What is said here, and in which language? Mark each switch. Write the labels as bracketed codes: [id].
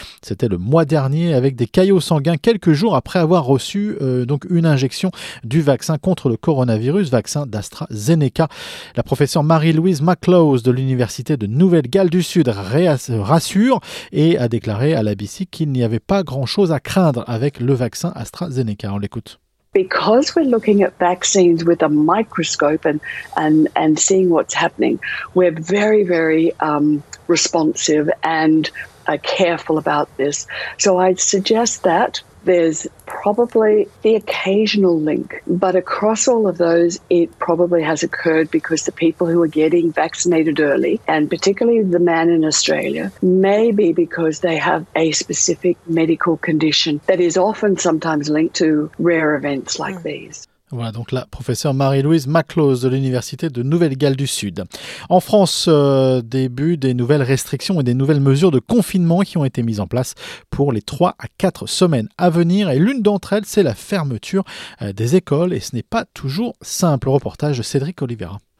[fr] C'était le mois dernier, avec des caillots sanguins quelques jours après avoir reçu une injection du vaccin contre le coronavirus, vaccin d'AstraZeneca. La professeure Marie-Louise McClose de l'Université de Nouvelle-Galles du Sud rassure et a déclaré à l'ABC qu'il n'y avait pas grand-chose à craindre avec le vaccin AstraZeneca. On l'écoute. [en] Because we're looking at vaccines with a microscope and seeing what's happening, we're very, very responsive and careful about this. So I suggest that there's probably the occasional link, but across all of those, it probably has occurred because the people who are getting vaccinated early, and particularly the man in Australia, may be because they have a specific medical condition that is often sometimes linked to rare events like these. [fr] Voilà donc la professeure Marie-Louise McClose de l'Université de Nouvelle-Galles du Sud. En France, début des nouvelles restrictions et des nouvelles mesures de confinement qui ont été mises en place pour les 3 à 4 semaines à venir. Et l'une d'entre elles, c'est la fermeture des écoles. Et ce n'est pas toujours simple. Reportage de Cédric Oliveira.